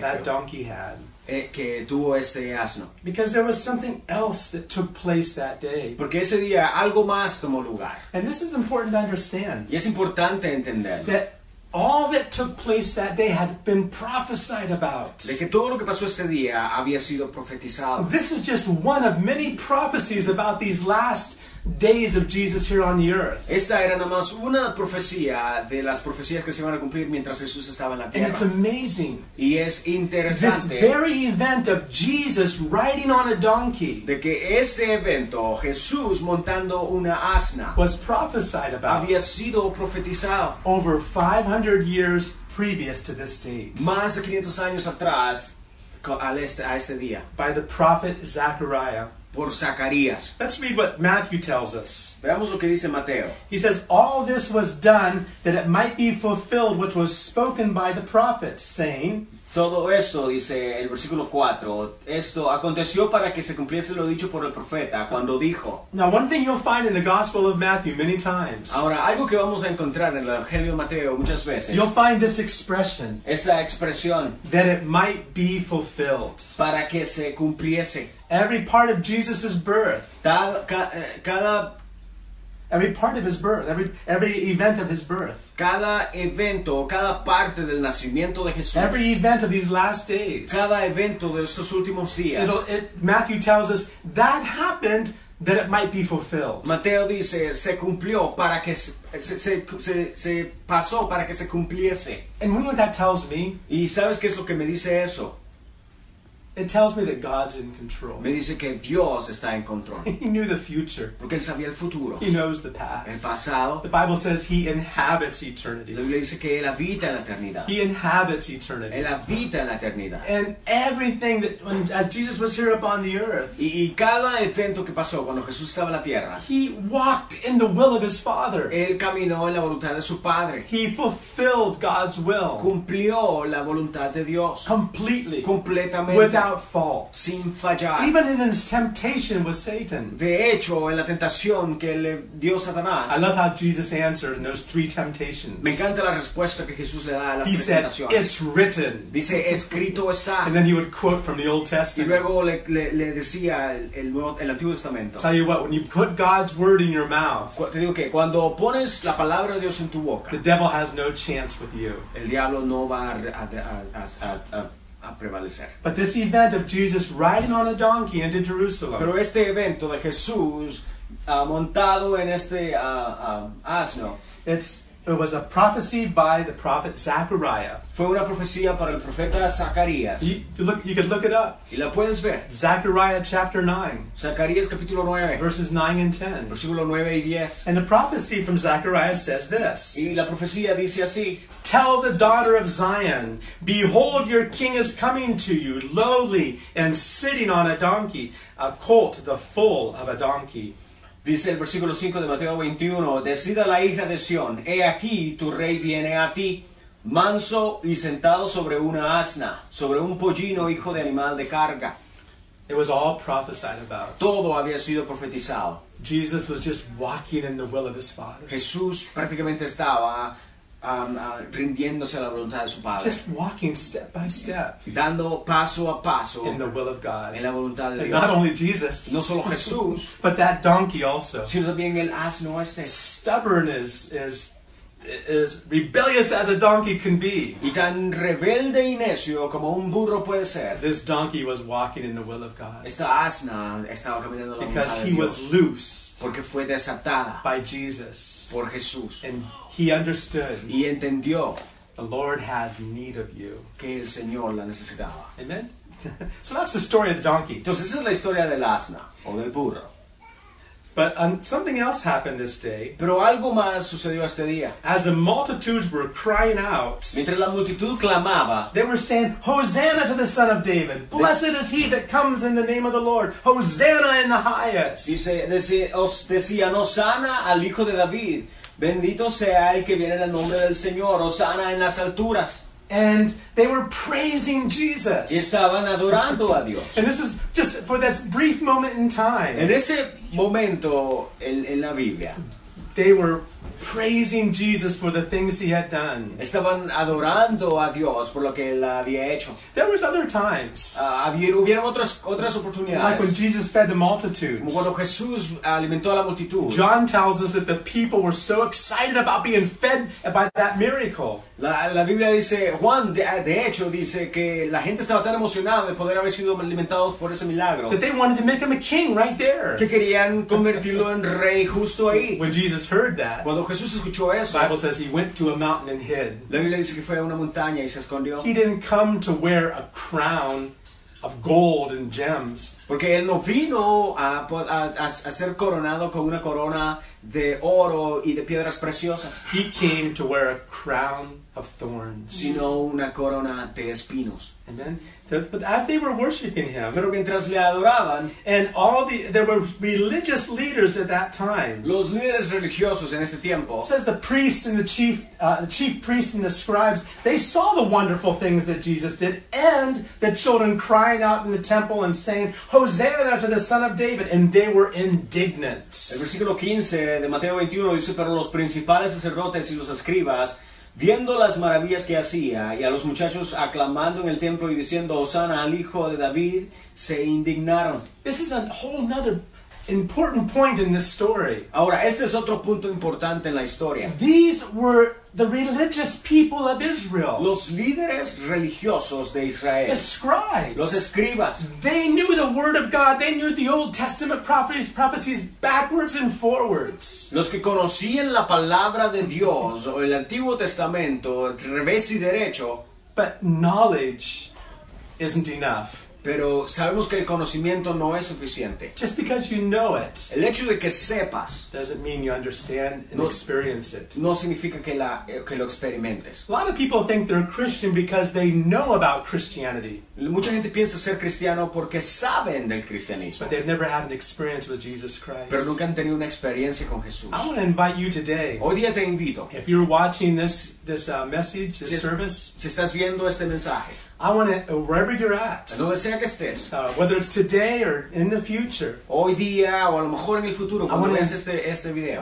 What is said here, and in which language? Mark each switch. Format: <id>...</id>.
<en>That donkey had.</en> <es>Que tuvo este asno.</es> <en>Because there was something else that took place that day.</en> <es>Porque ese día algo más tomó lugar.</es> <en>And this is important to understand.</en> <es>Y es importante entenderlo.</es> <en>That all that took place that day had been prophesied about.</en> <es>De que todo lo que pasó este día había sido profetizado.</es> <en>This is just one of many prophecies about these last days of Jesus here on the earth.</en> <es>Esta era nada más una profecía de las profecías que se iban a cumplir mientras Jesús estaba en la tierra.</es> <en>And it's amazing.</en> <es>Y es interesante.</es> <en>This very event of Jesus riding on a donkey.</en> <es>De que este evento, Jesús montando una asna,</es> <en>was prophesied about.</en> <es>Había sido profetizado</es> <en>over 500 years previous to this date.</en> <es>Más de 500 años atrás a este día.</es> <en>By the prophet Zechariah.</en> <es>Por Zacarías.</es> <en>Let's read what Matthew tells us.</en> <es>Veamos lo que dice Mateo.</es> <en>He says, all this was done that it might be fulfilled which was spoken by the prophets, saying,</en> <es>todo esto, dice el versículo 4, esto aconteció para que se cumpliese lo dicho por el profeta cuando dijo.</es> <en>Now, one thing you'll find in the Gospel of Matthew many times.</en> <es>Ahora, algo que vamos a encontrar en el Evangelio de Mateo muchas veces.</es> <en>You'll find this expression.</en> <es>Esta expresión.</es> <en>That it might be fulfilled.</en> <es>Para que se cumpliese.</es> <en>Every part of Jesus' birth. Every part of his birth, every event of his birth.</en> <es>Cada evento, cada parte del nacimiento de Jesús.</es> <en>Every event of these last days.</en> <es>Cada evento de estos últimos días.</es> <en>Matthew tells us that happened that it might be fulfilled.</en> <es>Mateo dice, se cumplió para que se pasó para que se cumpliese.</es> <en>And you know what that tells me?</en> <es>¿Y sabes qué es lo que me dice eso?</es> <en>It tells me that God's in control.</en> <es>Me dice que Dios está en control.</es> <en>He knew the future.</en> <es>Porque él sabía el futuro.</es> <en>He knows the past.</en> <es>El pasado.</es> <en>The Bible says he inhabits eternity.</en> <es>La Biblia dice que él habita en la eternidad.</es> <en>He inhabits eternity.</en> <es>Él habita en la eternidad.</es> <en>And everything that, when, as Jesus was here upon the earth.</en> <es>Y cada evento que pasó cuando Jesús estaba en la tierra.</es> <en>He walked in the will of his Father.</en> <es>Él caminó en la voluntad de su Padre.</es> <en>He fulfilled God's will.</en> <es>Cumplió la voluntad de Dios.</es> <en>Completely.</en> <es>Completamente.</es> <en>Without fault,</en> <es>sin fallar.</es> <en>Even in his temptation with Satan.</en> <es>De hecho, en la tentación que le dio Satanás.</es> <en>I love how Jesus answered in those three temptations.</en> <es>Me encanta la respuesta que Jesús le da a las</es> <en>he</en> <es>tres</es> <en>said,</en> <es>tentaciones.</es> <en>It's written.</en> <es>Dice, escrito está.</es> <en>And then he would quote from the Old Testament.</en> <es>Y luego le decía el Antiguo Testamento.</es> <en>Tell you what, when you put God's word in your mouth.</en> <es>Te digo que cuando pones la palabra de Dios en tu boca.</es> <en>The devil has no chance with you.</en> <es>El diablo no va a prevalecer.</es> <en>But this event of Jesus riding on a donkey into Jerusalem.</en> <es>Pero este evento de Jesús montado en este asno.</es> <en>It was a prophecy by the prophet Zechariah.</en> <es>Fue una profecía para el profeta Zacarías.</es> <en>You could look it up.</en> <es>Y la puedes ver.</es> <en>Zechariah chapter 9.</en> <es>Zacarías capítulo 9.</es> <en>Verses 9 and 10.</en> <es>Versículo 9 y 10.</es> <en>And the prophecy from Zechariah says this.</en> <es>Y la profecía dice así.</es> <en>Tell the daughter of Zion, behold, your king is coming to you, lowly and sitting on a donkey, a colt, the foal of a donkey.</en> <es>Dice el versículo 5 de Mateo 21, decida la hija de Sión, he aquí tu rey viene a ti, manso y sentado sobre una asna, sobre un pollino hijo de animal de carga.</es> <en>It was all prophesied about.</en> <es>Todo había sido profetizado.</es> <en>Jesus was just walking in the will of his Father.</en> <es>Jesús prácticamente estaba rindiéndose a la voluntad de su Padre.</es> <en>Just walking step by step.</en> <es>Dando paso a paso.</es> <en>In the will of God.</en> <es>En la voluntad de</es> <en>and</en> <es>Dios.</es> <en>Not only Jesus.</en> <es>No solo Jesús.</es> <en>But that donkey also.</en> <es>Sino también el asno este.</es> <en>Stubborn is rebellious as a donkey can be.</en> <es>Y tan rebelde y necio como un burro puede ser.</es> <en>This donkey was walking in the will of God.</en> <es>Esta asna estaba caminando en la voluntad</es> <en>because</en> <es>de Dios.</es> <en>Because he was loose.</en> <es>Porque fue desatada.</es> <en>By Jesus.</en> <es>Por Jesús.</es> <en>And he understood.</en> <es>Y entendió.</es> <en>The Lord has need of you.</en> <es>Que el Señor la necesitaba.</es> <en>Amen. So that's the story of the donkey.</en> <es>Entonces esa es la historia del asna o del burro.</es> <en>But something else happened this day.</en> <es>Pero algo más sucedió este día.</es> <en>As the multitudes were crying out.</en> <es>Mientras la multitud clamaba.</es> <en>They were saying, Hosanna to the Son of David. Blessed is he that comes in the name of the Lord. Hosanna in the highest.</en> <es>Decían, Hosanna al Hijo de David. Bendito sea el que viene en el nombre del Señor, Hosanna en las alturas.</es> <en>And they were praising Jesus.</en> <es>Y estaban adorando a Dios.</es> <en>And this was just for this brief moment in time.</en> <es>En ese momento en la Biblia.</es> <en>They were praising Jesus for the things he had done.</en> <es>Estaban adorando a Dios por lo que él había hecho.</es> <en>There was other times.</en> <es>Hubieron otras oportunidades.</es> <en>Like when Jesus fed the multitudes.</en> <es>Como cuando Jesús alimentó a la multitud.</es> <en>John tells us that the people were so excited about being fed by that miracle.</en> <es>La Biblia dice, Juan de hecho dice que la gente estaba tan emocionada de poder haber sido alimentados por ese milagro.</es> <en>That they wanted to make him a king right there.</en> <es>Que querían convertirlo en rey justo ahí.</es> <en>When Jesus heard that.</en> <es>Cuando Jesús escuchó eso,</es> <en>the Bible says he went to a mountain and hid.</en> <es>La Biblia dice que fue a una montaña y se escondió.</es> <en>He didn't come to wear a crown of gold and gems.</en> <es>Porque él no vino a ser coronado con una corona de oro y de piedras preciosas.</es> <en>He came to wear a crown of thorns.</en> <es>Sino una corona de espinos.</es> <en>Amen. But as they were worshiping him,</en> <es>pero mientras le adoraban,</es> <en>and all the there were religious leaders at that time,</en> <es>los líderes religiosos en ese tiempo,</es> <en>says the priests and the chief priests and the scribes, they saw the wonderful things that Jesus did, and the children crying out in the temple and saying, Hosanna to the Son of David, and they were indignant.</en> <es>El versículo 15 de Mateo 21 dice, pero los principales sacerdotes y los escribas, viendo las maravillas que hacía y a los muchachos aclamando en el templo y diciendo Hosanna al Hijo de David, se indignaron.</es> <en>This is a whole another important point in this story.</en> <es>Ahora, este es otro punto importante en la historia.</es> <en>These were the religious people of Israel.</en> <es>Los líderes religiosos de Israel.</es> <en>The scribes.</en> <es>Los escribas.</es> <en>They knew the word of God. They knew the Old Testament prophecies backwards and forwards.</en> <es>Los que conocían la palabra de Dios o el Antiguo Testamento revés y derecho.</es> <en>But knowledge isn't enough.</en> <es>Pero sabemos que el conocimiento no es suficiente.</es> <en>Just because you know it,</en> <es>el hecho de que sepas,</es> <en>doesn't mean you understand and experience it.</en> <es>No significa que lo experimentes.</es> <en>A lot of people think they're Christian because they know about Christianity.</en> <es>Mucha gente piensa ser cristiano porque saben del cristianismo.</es> <en>But they've never had an experience with Jesus Christ.</en> <es>Pero nunca han tenido una experiencia con Jesús.</es> <en>I want to invite you today.</en> <es>Hoy día te invito.</es> <en>If you're watching this message, this service,</en> <es>si estás viendo este mensaje.</es> <en>I want to, wherever you're at,</en> <es>donde sea que estés,</es> <en>whether it's today or in the future,</en> <es>hoy día o a lo mejor en el futuro, cuando ves este video,</es>